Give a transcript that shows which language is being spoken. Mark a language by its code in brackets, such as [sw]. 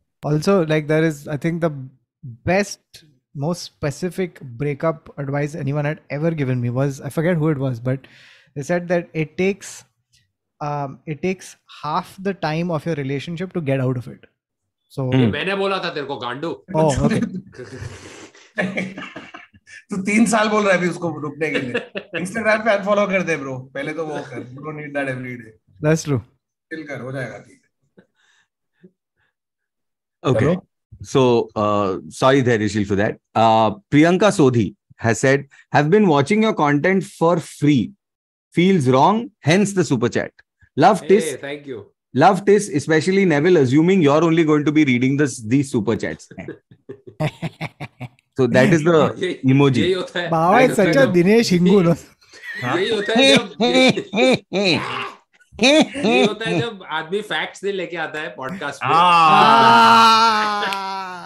[en] Also, like there is, I think the best, most specific breakup advice anyone had ever given me was, I forget who it was, but they said that it takes half the time of your relationship to get out of it. So [hi] मैंने बोला था तेरे को गांडू तू 3 साल बोल रहा है उसको रुकने के लिए इंस्टाग्राम पे अनफॉलो कर दे ब्रो पहले तो वो कर [en] you don't need that every day that's true [hi] chill कर हो जाएगा ठीक [en] Okay so sorry Dhairyasheel for that Priyanka Sodhi has said have been watching your content for free feels wrong hence the super chat love this thank you Love this, especially Neville, assuming you're only going to be reading this, these super chats. So that is the emoji. Baba is such a Dinesh Hingu. [hi] Yehi hota hai jab aadmi facts nahi leke aata hai podcast pe.